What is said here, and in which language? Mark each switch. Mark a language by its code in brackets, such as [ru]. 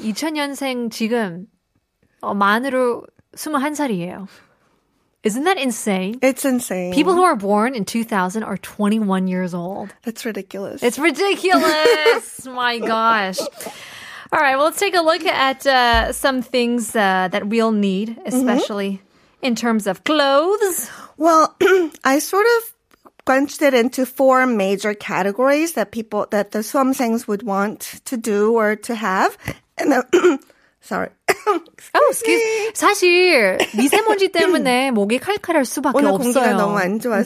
[ko] 2000년생 지금 만으로 21살이에요. [en] Isn't that insane? It's insane. People who are born in 2000 are 21 years old. That's ridiculous. It's ridiculous. My gosh. All right. Well, let's take a look at some things that we'll need, especially in terms of clothes. Well, I sort of crunched it into four major categories that people, that the 수험생s would want to do or to have. And then, sorry. Oh, excuse. [ko] 사실 미세먼지 때문에 목이 칼칼할 수밖에 오늘 오늘 공기가 너무 안 좋았어요.